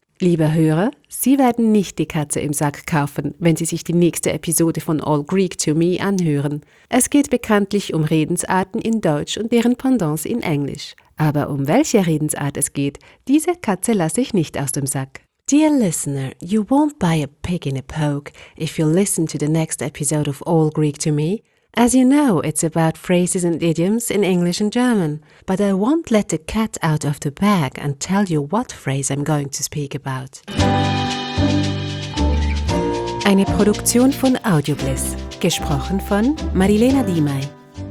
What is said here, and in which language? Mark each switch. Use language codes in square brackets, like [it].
[de] Liebe Hörer, Sie werden nicht die Katze im Sack kaufen, wenn Sie sich die nächste Episode von All Greek to Me anhören. Es geht bekanntlich um Redensarten in Deutsch und deren Pendants in Englisch. Aber um welche Redensart es geht, diese Katze lasse ich nicht aus dem Sack. [en] Dear listener, you won't buy a pig in a poke if you listen to the next episode of All Greek to Me. As you know, it's about phrases and idioms in English and German, but I won't let the cat out of the bag and tell you what phrase I'm going to speak about. [de] Eine Produktion von Audiobliss, gesprochen von Marilena Diemey.